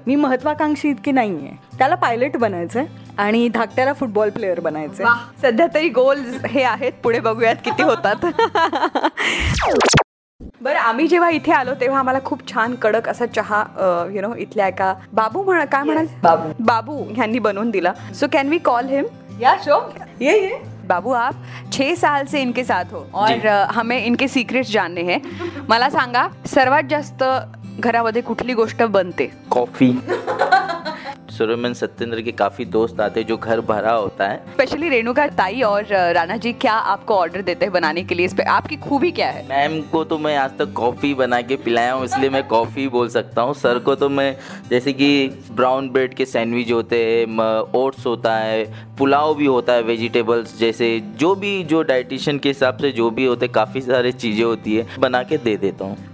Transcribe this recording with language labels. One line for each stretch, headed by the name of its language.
Marathi: मी महत्वाकांक्षी इतकी नाही आहे. त्याला पायलट बनायचं आहे आणि धाकट्याला फुटबॉल प्लेअर बनायचं आहे. सध्या तरी गोल्स हे आहेत, पुढे बघूयात किती होतात. बरं, आम्ही जेव्हा इथे आलो तेव्हा आम्हाला खूप छान कडक असा चहा यु नो इथल्या एका बाबू म्हणा काय म्हणाल बाबू ह्यांनी बनवून दिला.
English: So can we call him? या शो ये ये
Hindi: बाबू, आप 6 साल से इनके साथ हो और हमें इनके सीक्रेट जानने हैं.
Marathi: मला सांगा सर्वात जास्त घरामध्ये कुठली गोष्ट बनते? कॉफी.
Hindi: सुरमन सत्येंद्र के काफी दोस्त आते जो घर भरा होता है. स्पेशली रेणुका ताई और राणा जी क्या आपको ऑर्डर देते हैं बनाने के लिए? इस पे आपकी खूबी क्या है? मैम को तो मैं आज तक कॉफी बना के पिलाया हूँ, इसलिए मैं कॉफी बोल सकता हूँ. सर को तो मैं जैसे कि ब्राउन ब्रेड के सैंडविच होते हैं, ओट्स होता है, पुलाव भी होता है, वेजिटेबल्स जैसे जो भी जो डाइटिशियन के हिसाब से जो भी होते, काफी सारे चीजें होती है, बना के दे देता हूँ.